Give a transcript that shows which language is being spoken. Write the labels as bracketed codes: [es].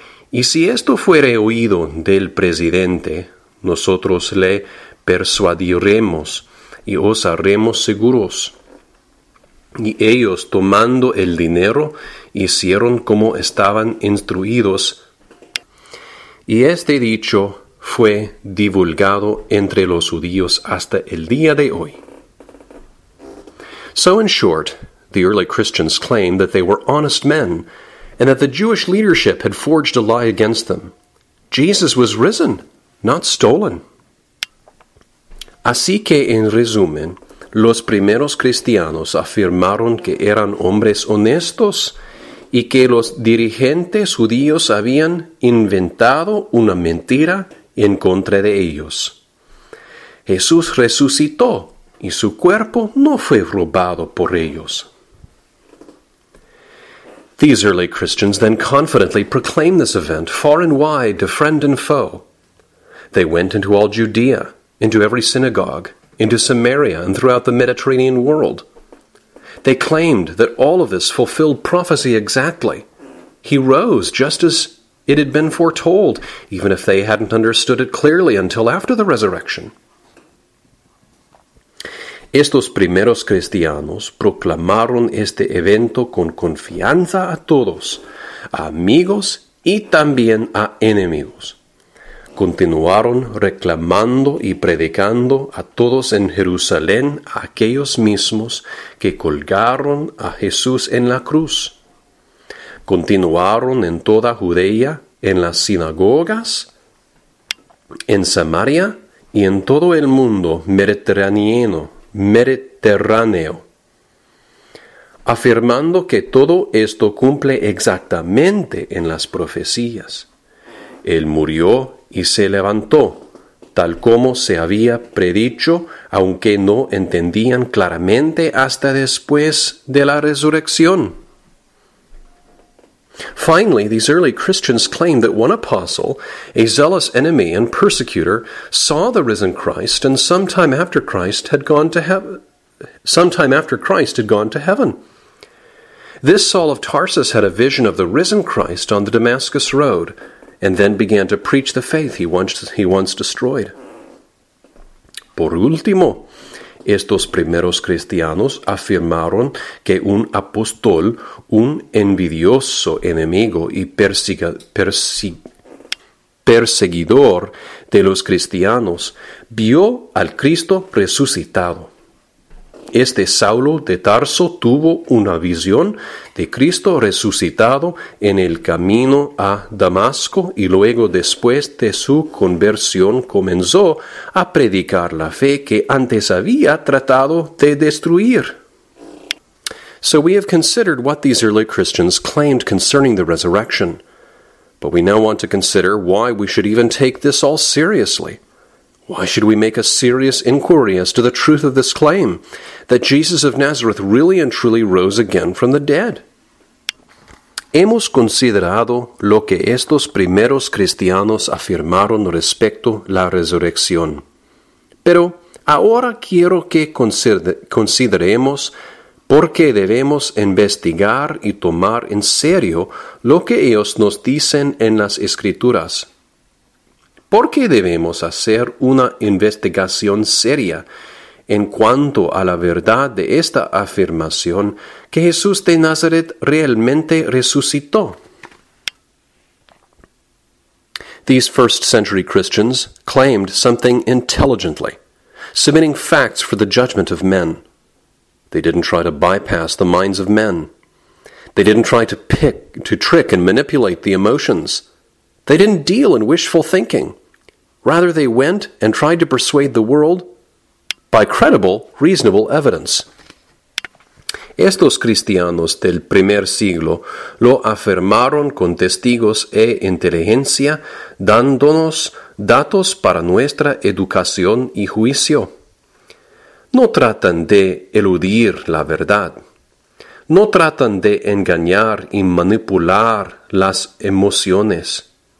[es] Y si esto fuere oído del presidente, nosotros le persuadiremos y os haremos seguros. Y ellos, tomando el dinero, hicieron como estaban instruidos. Y este dicho fue divulgado entre los judíos hasta el día de hoy. [en] So in short, the early Christians claimed that they were honest men and that the Jewish leadership had forged a lie against them. Jesus was risen, not stolen. [es] Así que, en resumen, los primeros cristianos afirmaron que eran hombres honestos y que los dirigentes judíos habían inventado una mentira en contra de ellos. Jesús resucitó y su cuerpo no fue robado por ellos. [en] These early Christians then confidently proclaimed this event far and wide to friend and foe. They went into all Judea, into every synagogue, into Samaria, and throughout the Mediterranean world. They claimed that all of this fulfilled prophecy exactly. He rose just as it had been foretold, even if they hadn't understood it clearly until after the resurrection. [es] Estos primeros cristianos proclamaron este evento con confianza a todos, a amigos y también a enemigos. Continuaron reclamando y predicando a todos en Jerusalén a aquellos mismos que colgaron a Jesús en la cruz. Continuaron en toda Judea, en las sinagogas, en Samaria y en todo el mundo mediterráneo, afirmando que todo esto cumple exactamente en las profecías. Él murió y se levantó, tal como se había predicho, aunque no entendían claramente hasta después de la resurrección. [en] Finally, these early Christians claimed that one apostle, a zealous enemy and persecutor, saw the risen Christ and sometime after Christ had gone to heaven. This Saul of Tarsus had a vision of the risen Christ on the Damascus Road, and then began to preach the faith he once destroyed. [es] Por último, estos primeros cristianos afirmaron que un apóstol, un envidioso enemigo y perseguidor de los cristianos, vio al Cristo resucitado. Este Saulo de Tarso tuvo una visión de Cristo resucitado en el camino a Damasco y luego después de su conversión comenzó a predicar la fe que antes había tratado de destruir. [en] So we have considered what these early Christians claimed concerning the resurrection. But we now want to consider why we should even take this all seriously. Why should we make a serious inquiry as to the truth of this claim, that Jesus of Nazareth really and truly rose again from the dead? [es] Hemos considerado lo que estos primeros cristianos afirmaron respecto la resurrección. Pero ahora quiero que consideremos por qué debemos investigar y tomar en serio lo que ellos nos dicen en las Escrituras. ¿Por qué debemos hacer una investigación seria en cuanto a la verdad de esta afirmación que Jesús de Nazaret realmente resucitó? [en] These first century Christians claimed something intelligently, submitting facts for the judgment of men. They didn't try to bypass the minds of men. They didn't try to trick and manipulate the emotions. They didn't deal in wishful thinking. Rather, they went and tried to persuade the world by credible, reasonable evidence. [es] Estos cristianos del primer siglo lo afirmaron con testigos e inteligencia, dándonos datos para nuestra educación y juicio. No tratan de eludir la verdad. No tratan de engañar y manipular las emociones.